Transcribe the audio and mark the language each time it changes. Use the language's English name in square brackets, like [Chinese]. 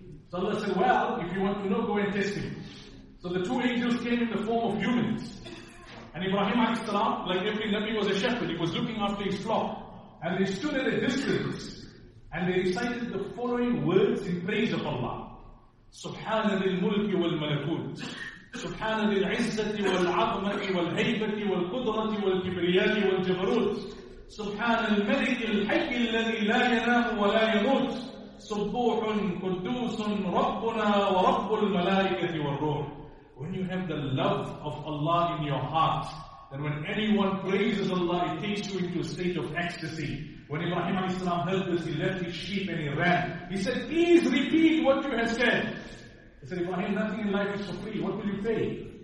[English] So Allah said, well, if you want to know, go and test him. So the two angels came in the form of humans. And Ibrahim alayhi salam, like every Nabi, was a shepherd. He was looking after his flock. And they stood at a distance. And they recited the following words in praise of Allah. [Arabic] Subhana lil mulki wal malakut. سبحان للعزة والعظمة والهيبة والقدرة والكبرياء والجبروت سبحان الملك الحي الذي لا ينام ولا يموت سبوح قدوس ربنا ورب الملائكة والروح. [English] When you have the love of Allah in your heart, then when anyone praises Allah, it takes you into a state of ecstasy. When Ibrahim alayhi salam heard this, he left his sheep and he ran. He said, please repeat what you have said. He said, Ibrahim, nothing in life is for free. What will you pay?